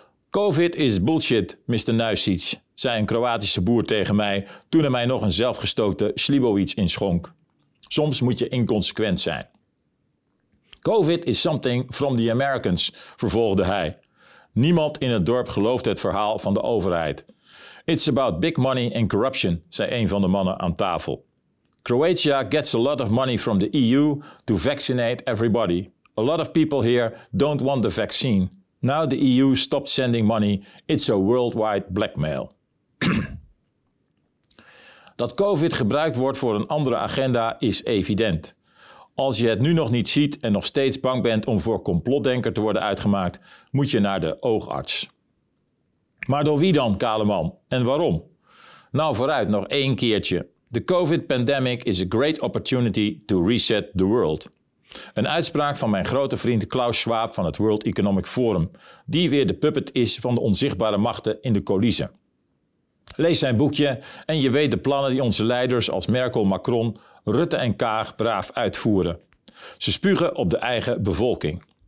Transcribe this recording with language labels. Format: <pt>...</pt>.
<en>COVID is bullshit,</en> <nl>Mr. Nuisic, zei een Kroatische boer tegen mij toen hij mij nog een zelfgestookte Slivovic inschonk. Soms moet je inconsequent zijn.</nl> <en>COVID is something from the Americans,</en> <nl>vervolgde hij. Niemand in het dorp geloofde het verhaal van de overheid.</nl> <en>It's about big money and corruption,</en> <nl>zei een van de mannen aan tafel.</nl> <en>Croatia gets a lot of money from the EU to vaccinate everybody. A lot of people here don't want the vaccine. Now the EU stopped sending money. It's a worldwide blackmail.</en> <nl>Dat COVID gebruikt wordt voor een andere agenda is evident. Als je het nu nog niet ziet en nog steeds bang bent om voor complotdenker te worden uitgemaakt, moet je naar de oogarts. Maar door wie dan, kale man? En waarom? Nou vooruit, nog 1 keertje.</nl> <en>The COVID-pandemic is a great opportunity to reset the world.</en> <nl>Een uitspraak van mijn grote vriend Klaus Schwab van het World Economic Forum, die weer de puppet is van de onzichtbare machten in de coulissen. Lees zijn boekje en je weet de plannen die onze leiders als Merkel, Macron, Rutte en Kaag braaf uitvoeren. Ze spugen op de eigen bevolking.</nl>